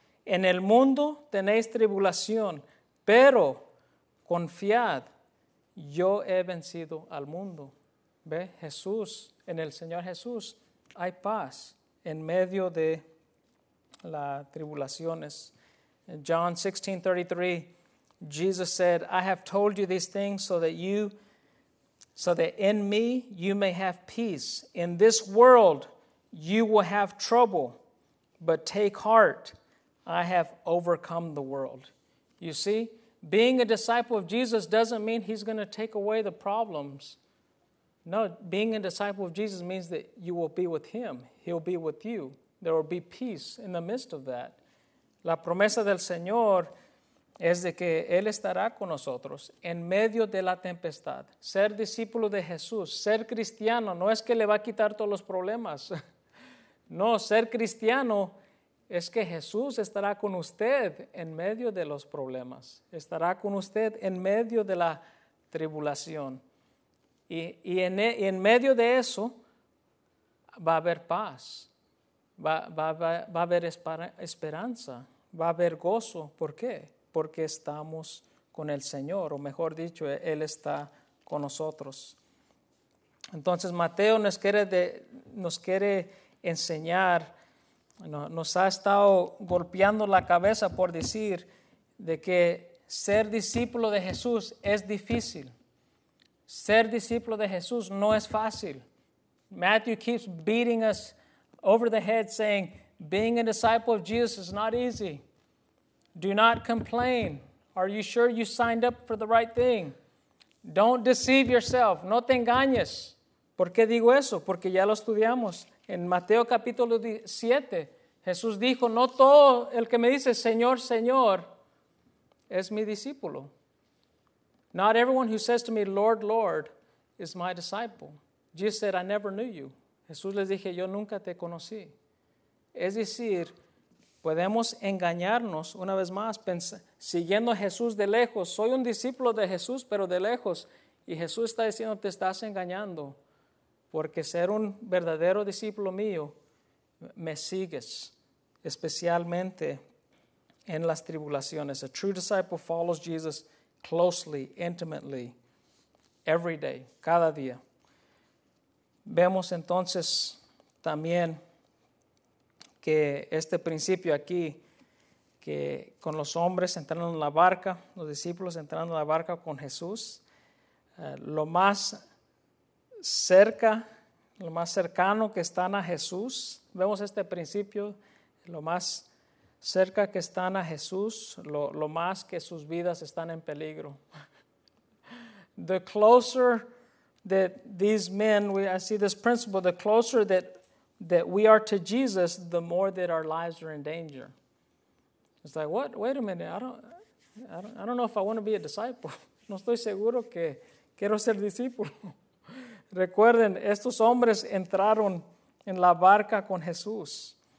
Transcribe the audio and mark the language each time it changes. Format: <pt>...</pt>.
<es>En el mundo tenéis tribulación, pero confiad, yo he vencido al mundo. Ve, Jesús, en el Señor Jesús hay paz en medio de las tribulaciones.</es> <en>John 16:33, Jesus said, I have told you these things so that in me you may have peace. In this world you will have trouble, but take heart, I have overcome the world. You see, being a disciple of Jesus doesn't mean he's going to take away the problems. No, being a disciple of Jesus means that you will be with him. He'll be with you. There will be peace in the midst of that.</en> <es>La promesa del Señor es de que Él estará con nosotros en medio de la tempestad. Ser discípulo de Jesús, ser cristiano, no es que le va a quitar todos los problemas. No, ser cristiano es que Jesús estará con usted en medio de los problemas. Estará con usted en medio de la tribulación. Y en medio de eso va a haber paz. Va a haber esperanza. Va a haber gozo. ¿Por qué? Porque estamos con el Señor. O mejor dicho, Él está con nosotros. Entonces Mateo nos quiere enseñar. Nos ha estado golpeando la cabeza por decir de que ser discípulo de Jesús es difícil. Ser discípulo de Jesús no es fácil.</es> <en>Matthew keeps beating us over the head saying, being a disciple of Jesus is not easy. Do not complain. Are you sure you signed up for the right thing? Don't deceive yourself.</en> <es>No te engañes. ¿Por qué digo eso? Porque ya lo estudiamos. En Mateo capítulo 7, Jesús dijo, no todo el que me dice Señor, Señor, es mi discípulo.</es> <en>Not everyone who says to me, Lord, Lord, is my disciple. Jesus said, I never knew you.</en> <es>Jesús les dije, yo nunca te conocí. Es decir, podemos engañarnos una vez más, siguiendo a Jesús de lejos. Soy un discípulo de Jesús, pero de lejos. Y Jesús está diciendo, te estás engañando. Porque ser un verdadero discípulo mío, me sigues, especialmente en las tribulaciones.</es> <en>A true disciple follows Jesus closely, intimately, every day,</en> <es>cada día. Vemos entonces también que este principio aquí, que con los hombres entrando en la barca, los discípulos entrando en la barca con Jesús, lo más cercano que están a Jesús, vemos este principio, lo más cerca que están a Jesús, lo más que sus vidas están en peligro.</es> <en>The closer that these men, I see this principle, the closer that we are to Jesus, the more that our lives are in danger. It's like, what? Wait a minute. I don't know if I want to be a disciple.</en> <es>No estoy seguro que quiero ser discípulo. Recuerden, estos hombres entraron en la barca con Jesús.</es>